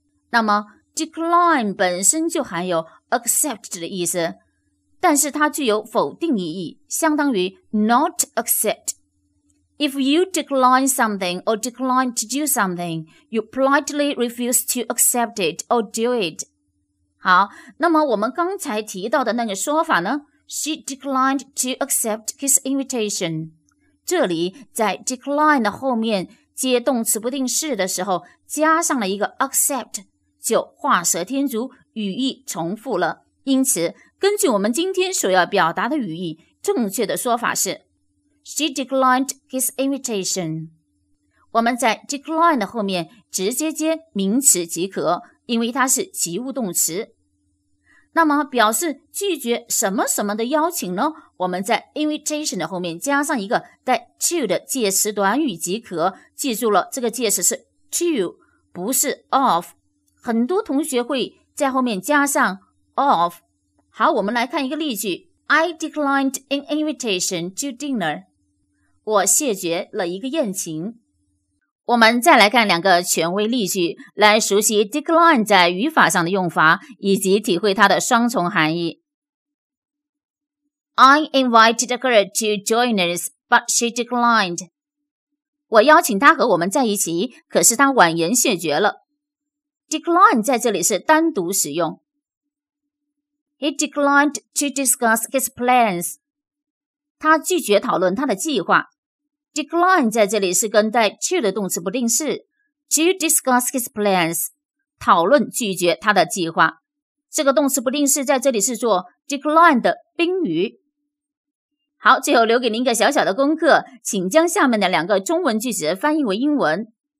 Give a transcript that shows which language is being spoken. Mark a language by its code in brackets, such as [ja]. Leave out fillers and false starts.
[zh] 那么 Decline 本身就含有 accept 的意思，但是它具有否定意义，相当于 [en] not accept. If you decline something or decline to do something, you politely refuse to accept it or do it. [zh] 好，那么我们刚才提到的那个说法呢？ [en] She declined to accept his invitation. [zh] 这里在 decline 的后面接动词不定式的时候，加上了一个 accept， 就画蛇添足，语义重复了。因此根据我们今天所要表达的语义，正确的说法是 [en] She declined his invitation. [zh] 我们在 decline 的后面直接接名词即可，因为它是及物动词。那么表示拒绝什么什么的邀请呢？我们在 invitation 的后面加上一个带 to 的介词短语即可。记住了，这个介词是 to 不是 of， 很多同学会在后面加上 of。好，我们来看一个例句。 [en] I declined an invitation to dinner. [zh] 我谢绝了一个宴请。我们再来看两个权威例句，来熟悉 decline 在语法上的用法，以及体会它的双重含义。 [en] I invited a girl to join us, but she declined. [zh] 我邀请她和我们在一起，可是她婉言谢绝了。 Decline 在这里是单独使用。 [en] He declined to discuss his plans. [zh] 他拒绝讨论他的计划。 Decline 在这里是跟带 to 的动词不定式。 [en] To discuss his plans. [zh] 讨论拒绝他的计划。这个动词不定式在这里是做 decline 的宾语。好，最后留给您一个小小的功课，请将下面的两个中文句子翻译为英文。